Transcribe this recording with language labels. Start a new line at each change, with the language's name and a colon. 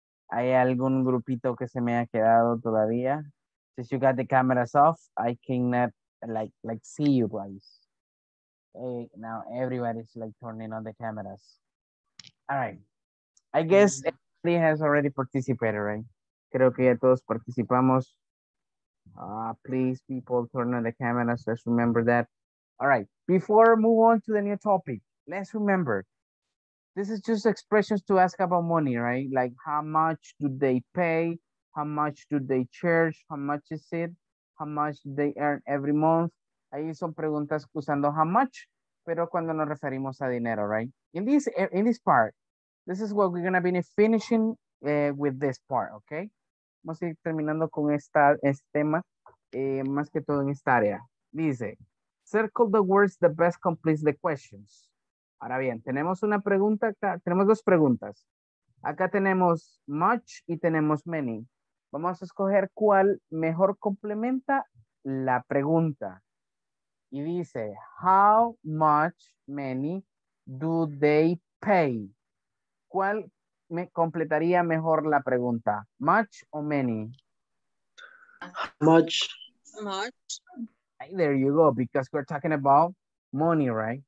Spanish: ¿Hay algún grupito que se me ha quedado todavía?
English: Since you got the cameras off, I cannot like see you guys. Hey, now everybody's like turning on the cameras. All right. I guess everybody has already participated, right?
Spanish: Creo que ya todos participamos.
English: Please, people, turn on the cameras. Let's remember that. All right. Before we move on to the new topic, let's remember. This is just expressions to ask about money, right? Like, how much do they pay? How much do they charge? How much is it? How much do they earn every month?
Spanish: Ahí son preguntas usando how much, pero cuando nos referimos a dinero, right?
English: In this part, this is what we're going to be finishing with this part, okay?
Spanish: Vamos a ir terminando con este tema, más que todo en esta área.
English: Dice, circle the words that best completes the questions.
Spanish: Ahora bien, tenemos una pregunta acá, tenemos dos preguntas. Acá tenemos much y tenemos many. Vamos a escoger cuál mejor complementa la pregunta. Y dice,
English: how much many do they pay?
Spanish: ¿Cuál me completaría mejor la pregunta? ¿Much o many?
English: Much. Much. Hey, there you go, because we're talking about money, right?